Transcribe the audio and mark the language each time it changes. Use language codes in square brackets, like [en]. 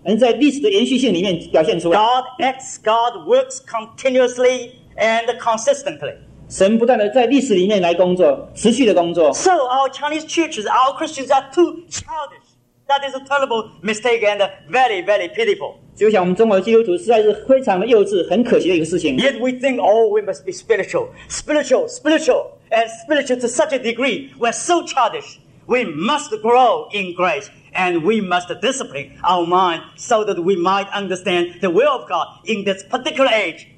[zh] 因为我们知道，我们读圣经的话，看见神的行动能在历史的延续性里面表现出来。 [en] God acts, God works continuously and consistently. [zh] 神不断地在历史里面来工作，持续的工作。 [en] So our Chinese churches, our Christians are too childish. That is a terrible mistake and very, very pitiful. [zh] 就像我们中国的基督徒实在是非常的幼稚，很可惜的一个事情。 [en] Yet we think, oh, we must be spiritual, spiritual, spiritual, and spiritual to such a degree. We're so childish. We must grow in grace, and we must discipline our mind so that we might understand the will of God in this particular age.